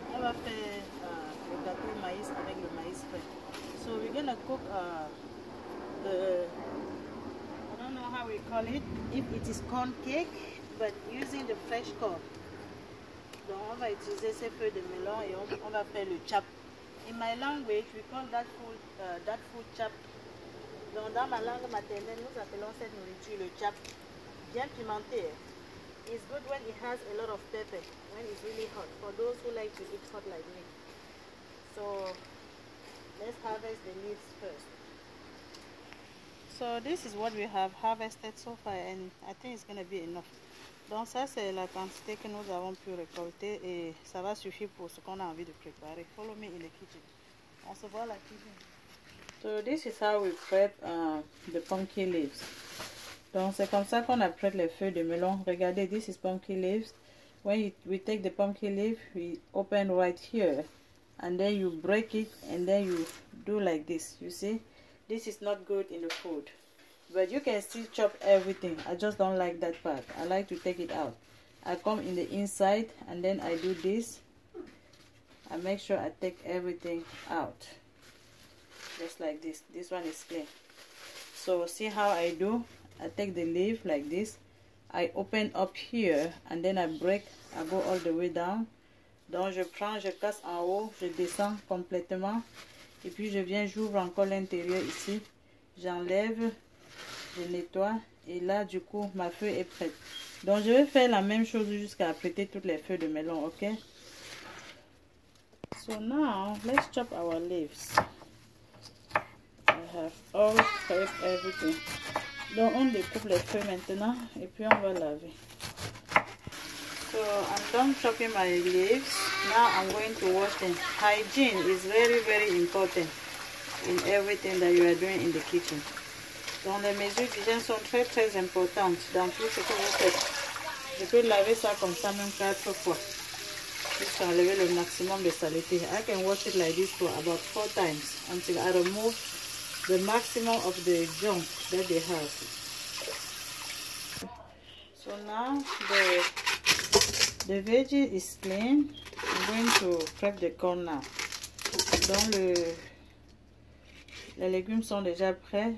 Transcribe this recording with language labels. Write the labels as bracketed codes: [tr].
[fr] On va faire le gâteau de maïs avec le maïs frais. [en] So we're gonna cook the I don't know how we call it. If it is corn cake, but using the fresh corn. [fr] Donc on va utiliser ces feuilles de melon et on va faire le chap. [en] In my language, we call that food chap. [fr] Donc dans ma langue maternelle, nous appelons cette nourriture le chap. Bien pimenté. [en] It's good when it has a lot of pepper, when it's really hot, for those who like to eat hot like me. So, let's harvest the leaves first. So, this is what we have harvested so far, and I think it's going to be enough. [fr] Donc ça, c'est la quantité que nous avons pu récolter et ça va suffire pour ce qu'on a envie de préparer. [en] Follow me in the kitchen. [fr] On se voit à la cuisine. [en] So this is how we prep the pumpkin leaves. [fr] Donc c'est comme ça qu'on apprête les feuilles de melon. Regardez, [en] this is pumpkin leaves. When we take the pumpkin leaf, we open right here. And then you break it and then you do like this. You see, this is not good in the food. But you can still chop everything. I just don't like that part. I like to take it out. I come in the inside and then I do this. I make sure I take everything out. Just like this. This one is clean. So see how I do? I take the leaf like this. I open up here and then I break. I go all the way down. [fr] Donc je prends, je casse en haut, je descends complètement. Et puis je viens, j'ouvre encore l'intérieur ici. J'enlève. Je nettoie et là du coup ma feuille est prête. Donc je vais faire la même chose jusqu'à apprêter toutes les feuilles de melon, ok? [en] So now let's chop our leaves. I have all prepped everything. [fr] Donc on découpe les feuilles maintenant et puis on va laver. [en] So I'm done chopping my leaves. Now I'm going to wash them. Hygiene is very very important in everything that you are doing in the kitchen. [fr] Donc les mesures d'hygiène sont très très importantes dans tout ce que vous faites. Je peux laver ça comme ça même 4 fois. Juste enlever le maximum de saleté. [en] I can wash it like this for about 4 times until I remove the maximum of the junk that they have. So now the veggie is clean. I'm going to prep the corn now. [fr] Donc les légumes sont déjà prêts.